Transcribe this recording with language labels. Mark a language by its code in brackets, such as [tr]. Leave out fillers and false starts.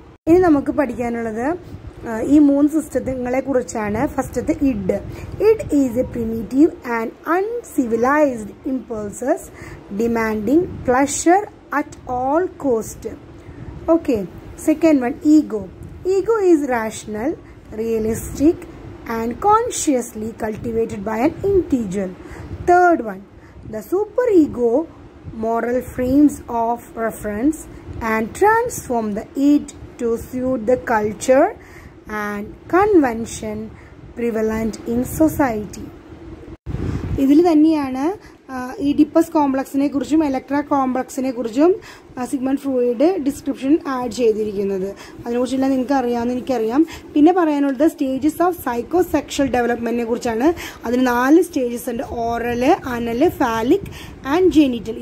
[ml] ഇനി നമുക്ക് പഠിക്കാനുള്ളത് ഈ മൂന്ന് സിസ്റ്റങ്ങളെ കുറിച്ചാണ്. ഫസ്റ്റത്തെ id. [en] Id is a primitive and uncivilised impulses demanding pleasure at all cost. Okay, second one ego. Ego is rational, realistic and consciously cultivated by an individual. Third one, the superego moral frames of reference and transform the id to suit the culture and convention prevalent in society. [ml] ഇതില് തന്നെയാണ് Oedipus കോംപ്ലക്സിനെ കുറിച്ചും Electra കോംപ്ലക്സിനെ കുറിച്ചും Sigmund Freud description add ചെയ്തിരിക്കുന്നത്. അതിനെക്കുറിച്ചെല്ലാം നിങ്ങൾക്ക് അറിയാമെന്ന് എനിക്കറിയാം. പിന്നെ പറയാനുള്ളത് സ്റ്റേജസ് ഓഫ് സൈക്കോ സെക്ഷൽ ഡെവലപ്മെൻറ്റിനെ കുറിച്ചാണ്. അതിന് നാല് സ്റ്റേജസ് ഉണ്ട്, ഓറല്, അനല്, ഫാലിക് ആൻഡ് ജെനിറ്റൽ.